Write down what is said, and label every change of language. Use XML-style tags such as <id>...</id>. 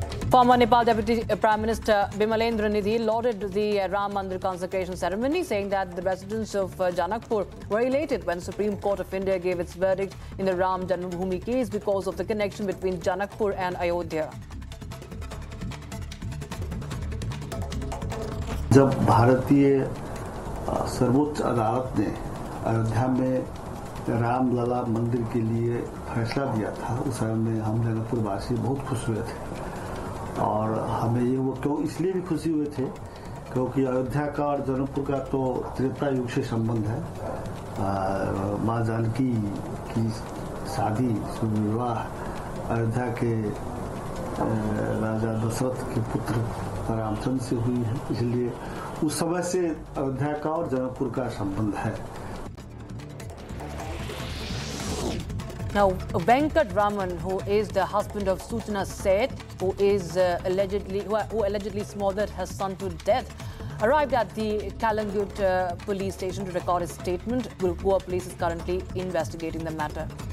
<en>Former Nepal Deputy Prime Minister Bimalendra Nidhi lauded the Ram Mandir consecration ceremony, saying that the residents of Janakpur were elated when the Supreme Court of India gave its verdict in the Ram Janmabhoomi case because of the connection between Janakpur and Ayodhya.</en> <hi>जब भारतीय सर्वोच्च अदालत ने अयोध्या में राम लला मंदिर के लिए फैसला दिया था, उस समय में हम जनकपुरवासी बहुत खुश हुए थे, और हमें ये वो क्यों इसलिए भी खुशी हुए थे क्योंकि अयोध्या का और जनकपुर का तो त्रेता युग से संबंध है। माँ जानकी की शादी विवाह अयोध्या के राजा दशरथ के पुत्र रामचंद्र से हुई है, इसलिए उस समय से अयोध्या का और जनकपुर का संबंध है।</hi> <en>Now, Venkat Raman, who is the husband of Suchana Seth, who allegedly smothered her son to death, arrived at the Kalangut police station to record his statement. Gurukua police is currently investigating the matter.</en>